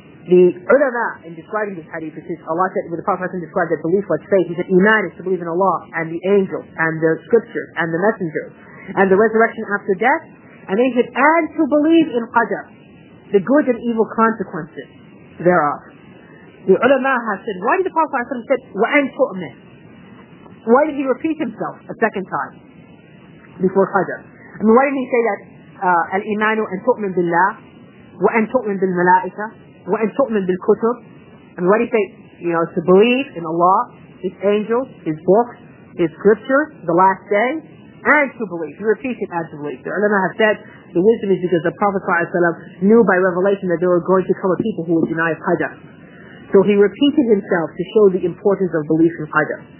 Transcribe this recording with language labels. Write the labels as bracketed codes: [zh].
[en] The ulama in describing this hadith, which is Allah said, when the Prophet described that belief was faith, he said, Iman is to believe in Allah and the angels and the scriptures and the messengers and the resurrection after death, and they should add to believe in Qadr, the good and evil consequences thereof. The ulama has said, why did the Prophet say, [ar] وَأَنْ تُؤْمِنْ? [en] Why did he repeat himself a second time before Qadr? I mean, why didn't he say that, [ar] الْإِمَانُ أَنْ تُؤْمِنْ بِاللَّهِ وَأَنْ تُؤْمِنْ بِالْمَلَائِكَ وَأَنْ تُؤْمِنْ بِالْكُتُبِ? [en] And why did he say, you know, to believe in Allah, His angels, His books, His scriptures, the last day, and to believe. He repeats it as to believe. The ulama have said the wisdom is because the Prophet ﷺ knew by revelation that there were going to come a people who would deny Qadr. So he repeated himself to show the importance of belief in Qadr.